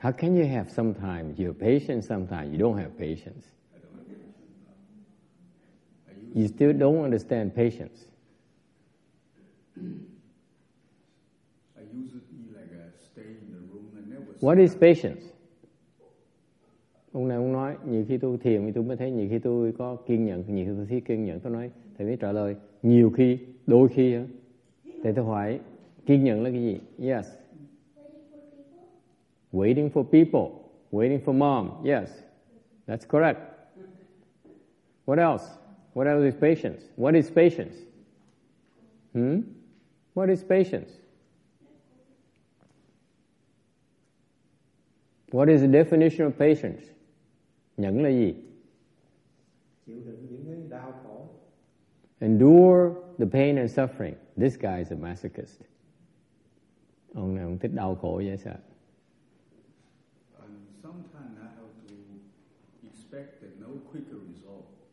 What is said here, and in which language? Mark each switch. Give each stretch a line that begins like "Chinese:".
English: How can you have sometimes you're patient, sometimes you don't have patience? You still don't understand patience. I used to be like a stay in the room and never. What is patience?
Vietnamese: Ông này ông nói nhiều khi tôi thiền thì tôi mới thấy nhiều khi tôi có kiên nhẫn, nhiều khi tôi thiếu kiên nhẫn. Tôi nói thầy mới trả lời nhiều khi, đôi khi. Thầy tôi hỏi kiên nhẫn là cái gì?
English: Yes. Waiting for people. Waiting for mom. Yes. That's correct. What else? What else is patience? What is patience? What is patience? What is the definition of patience?
Vietnamese: Nhẫn là gì? Chịu đựng những cái đau khổ.
English: Endure the pain and suffering. This guy is a masochist.
Vietnamese: Ông này ông thích đau khổ dễ sợ.
English: Sometimes I have to expect that no quicker result.